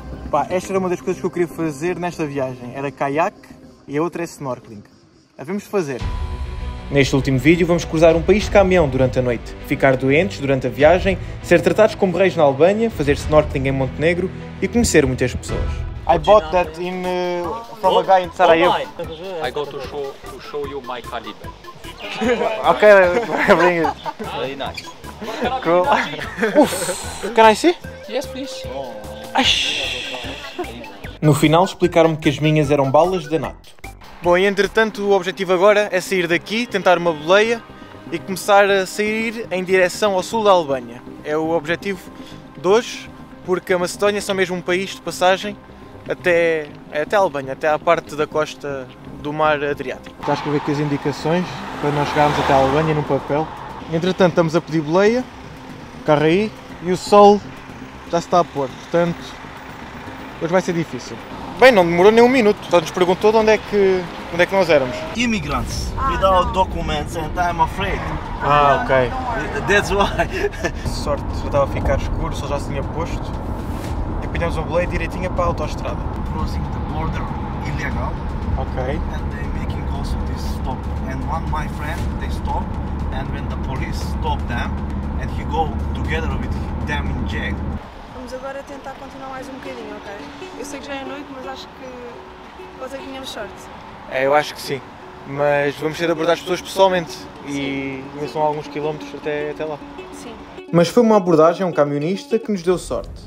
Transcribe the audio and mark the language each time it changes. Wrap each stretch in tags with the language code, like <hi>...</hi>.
<pt>Pá, esta era uma das coisas que eu queria fazer nesta viagem. Era caiaque e a outra é snorkeling. Havemos de fazer. Neste último vídeo vamos cruzar um país de camião durante a noite, ficar doentes durante a viagem, ser tratados como reis na Albânia, fazer snorkeling em Montenegro e conhecer muitas pessoas.</pt> <en>I bought that in from a guy in Sarajevo. I got to show you my caliber. Okay, bring it. Very nice. Cool. Uff, can I see? Yes, please. Ash.</en> <pt>No final explicaram-me que as minhas eram balas da NATO. Bom, e entretanto o objetivo agora é sair daqui, tentar uma boleia e começar a sair em direção ao sul da Albânia. É o objetivo de hoje, porque a Macedónia é só mesmo um país de passagem até a Albânia, até à parte da costa do mar Adriático. Estás a escrever aqui as indicações para nós chegarmos até a Albânia num papel. Entretanto estamos a pedir boleia, carro aí, e o sol já se está a pôr, portanto hoje vai ser difícil. Bem, não demorou nem um minuto. Só nos perguntou de onde é que nós éramos.</pt> <en>Immigrants, without documents and I'm afraid. Ah, ok. That's why.</en> <pt>Sorte, já estava a ficar escuro, só já se tinha posto. E pedimos um boleia direitinho para a autoestrada.</pt> <en>Crossing the border illegal. Ok. And they making calls to this stop. And one my friend, they stop. And when the police stop them, and he go together with them in jail.</en> <pt>Vamos agora tentar continuar mais um bocadinho, ok? Eu sei que já é noite, mas acho que vamos aqui em short. É, eu acho que sim. Mas vamos ter de abordar as pessoas pessoalmente. Sim. E são alguns quilómetros até lá. Sim. Mas foi uma abordagem a um camionista que nos deu sorte.</pt>